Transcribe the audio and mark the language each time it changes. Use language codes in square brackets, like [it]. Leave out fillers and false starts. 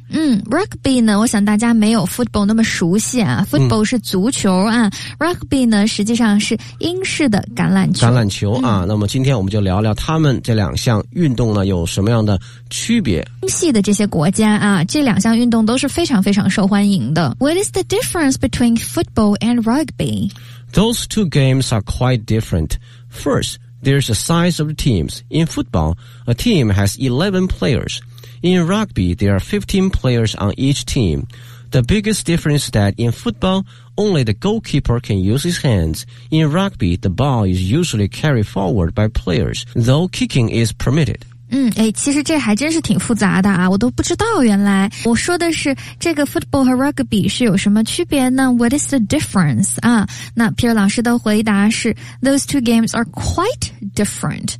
[zh] 嗯 ，rugby 呢，我想大家没有 football 那么熟悉啊。 football、嗯、是足球啊 ，rugby 呢实际上是英式的橄榄球。橄榄球啊、嗯，那么今天我们就聊聊他们这两项运动呢有什么样的区别。英系的这些国家啊，这两项运动都是非常非常受欢迎的。 [en] What is the difference between football and rugby? Those two games are quite different. First, there's the size of the teams. In football, a team has 11 players. In rugby, there are 15 players on each team. The biggest difference is that in football, only the goalkeeper can use his hands. In rugby, the ball is usually carried forward by players, though kicking is permitted. [zh] 嗯，哎，其实这还真是挺复杂的啊，我都不知道原来。我说的是这个 football 和 rugby 是有什么区别呢？ [en] What is the difference? [zh] 啊，那 Peter 老师的回答是 [en] those two games are quite different.